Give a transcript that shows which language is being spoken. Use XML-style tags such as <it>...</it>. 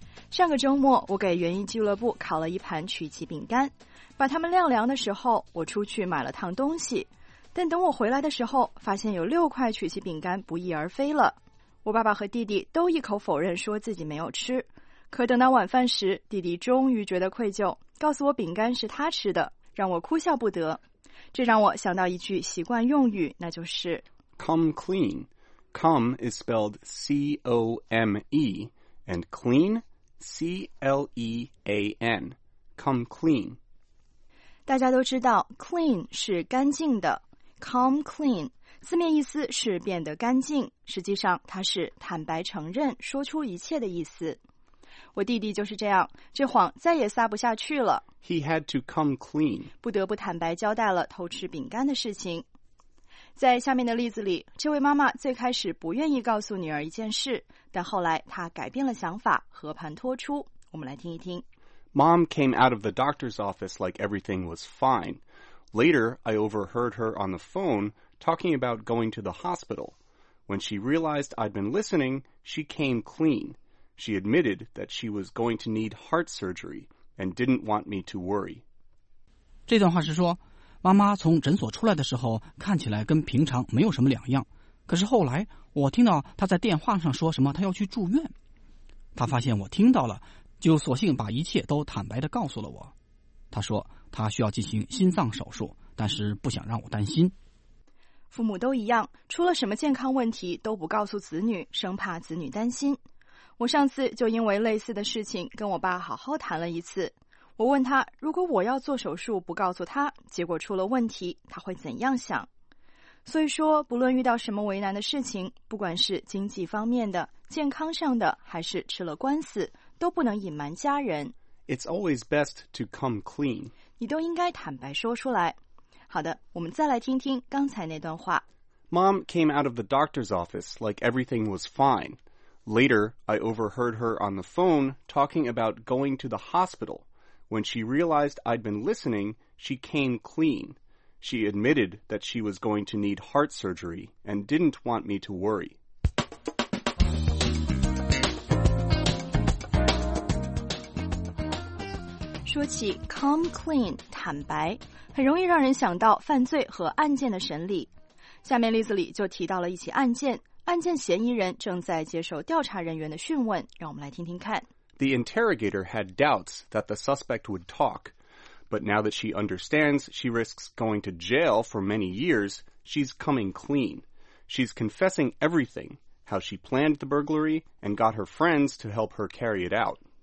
<zh>上个周末我给园艺俱乐部烤了一盘曲奇饼干，把它们晾凉的时候我出去买了趟东西，但等我回来的时候发现有六块曲奇饼干不翼而飞了。我爸爸和弟弟都一口否认说自己没有吃，可等到晚饭时弟弟终于觉得愧疚，告诉我饼干是他吃的，让我哭笑不得。这让我想到一句习惯用语，那就是</zh> <en>Come clean. Come is spelled C-O-M-E and clean C-L-E-A-N. Come clean.</en> <zh>大家都知道 clean 是干净的， come clean 字面意思是变得干净，实际上它是坦白承认，说出一切的意思。我弟弟就是这样，这谎再也撒不下去了。</zh> <en>He had to come clean.</en> <zh>不得不坦白交代了偷吃饼干的事情。在下面的例子里，这位妈妈最开始不愿意告诉女儿一件事，但后来她改变了想法，和盘托出。我们来听一听。</zh> <en>Mom came out of the doctor's office like everything was fine. Later, I overheard her on the phone talking about going to the hospital. When she realized I'd been listening, she came clean. She admitted that she was going to need heart surgery and didn't want me to worry.</en> <zh>这段话是说，妈妈从诊所出来的时候看起来跟平常没有什么两样，可是后来我听到她在电话上说什么她要去住院，她发现我听到了，就索性把一切都坦白地告诉了我。她说她需要进行心脏手术，但是不想让我担心。父母都一样，出了什么健康问题都不告诉子女，生怕子女担心。我上次就因为类似的事情跟我爸好好谈了一次。我问他，如果我要做手术不告诉他，结果出了问题，他会怎样想？所以说，不论遇到什么为难的事情，不管是经济方面的、健康上的，还是吃了官司，都不能隐瞒家人。</zh> <en>It's always best to come clean.</en> <zh>你都应该坦白说出来。好的，我们再来听听刚才那段话。</zh> <en>Mom came out of the doctor's office like everything was fine. Later, I overheard her on the phone talking about going to the hospital. When she realized I'd been listening, she came clean. She admitted that she was going to need heart surgery and didn't want me to worry.</en> <zh>说起 come clean, 坦白，很容易让人想到犯罪和案件的审理。下面例子里就提到了一起案件，案件嫌疑人正在接受调查人员的讯问，让我们来听听看。</zh> <en>The interrogator had doubts that the suspect would talk, but now that she understands she risks going to jail for many years, she's coming clean. She's confessing everything, how she planned the burglary and got her friends to help her carry it out.</en>